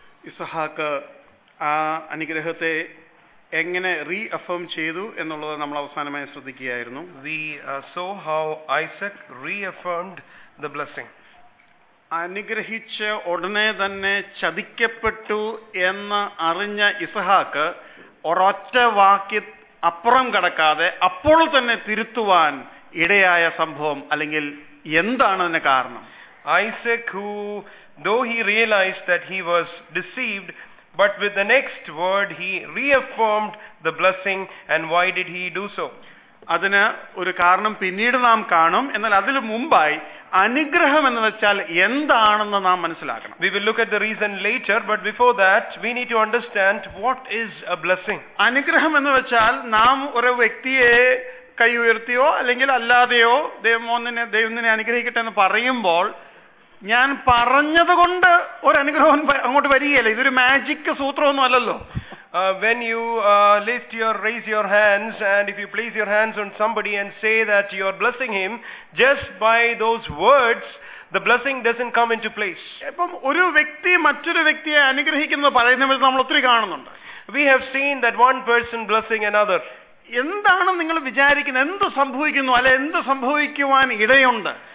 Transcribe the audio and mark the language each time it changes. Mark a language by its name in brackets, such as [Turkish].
[Malayalam] ഇസഹാക്ക് ആ അനുഗ്രഹത്തെ എങ്ങനെ റീ അഫേം ചെയ്തു എന്നുള്ളത് നമ്മൾ അവസാനമായി ശ്രദ്ധിക്കുകയായിരുന്നു. [English] We saw how Isaac reaffirmed the blessing. [Malayalam] അനുഗ്രഹിച്ച ഉടനെ തന്നെ ചതിക്കപ്പെട്ടു എന്ന് അറിഞ്ഞ ഇസഹാക്ക് ഒരൊറ്റ വാക്കി അപ്പുറം കടക്കാതെ അപ്പോൾ തന്നെ തിരുത്തുവാൻ ഇടയായ സംഭവം അല്ലെങ്കിൽ എന്താണ് അതിന് കാരണം? [English] Isaac, who though he realized that he was deceived, but with the next word he reaffirmed the blessing, and why did he do so? [Malayalam] അതിനെ ഒരു കാരണം പിന്നീട് നാം കാണും. എന്നാൽ അതിനു മുമ്പായി അനുഗ്രഹം എന്ന് വെച്ചാൽ എന്താണെന്ന് നാം മനസ്സിലാക്കണം. [English] We will look at the reason later, but before that we need to understand what is a blessing. [Malayalam] അനുഗ്രഹം എന്ന് വെച്ചാൽ നാം ഒരു വ്യക്തിയെ കൈ ഉയർത്തിയോ അല്ലെങ്കിൽ അല്ലാതെയോ ദൈവത്തിനെ അനുഗ്രഹിക്കട്ടെ എന്ന് പറയുമ്പോൾ ഞാൻ പറഞ്ഞത് കൊണ്ട് ഒരു അനുഗ്രഹം അങ്ങോട്ട് വരികയല്ലേ? ഇതൊരു മാജിക് സൂത്രമൊന്നും അല്ലല്ലോ. [English] When you lift your raise your hands, and if you place your hands on somebody and say that you are blessing him, just by those words the blessing doesn't come into place. [Malayalam] ഇപ്പോ ഒരു വ്യക്തി മറ്റൊരു വ്യക്തിയെ അനുഗ്രഹിക്കുന്നു പറയുന്നത് നമ്മൾ ഒത്തിരി കാണുന്നുണ്ട്. [English] We have seen that one person blessing another. [Malayalam] എന്താണ് നിങ്ങൾ വിചാരിക്കുന്നത്? എന്ത് സംഭവിക്കുന്നു അല്ലെ എന്ത് സംഭവിക്കുവാൻ ഇടയുണ്ട്?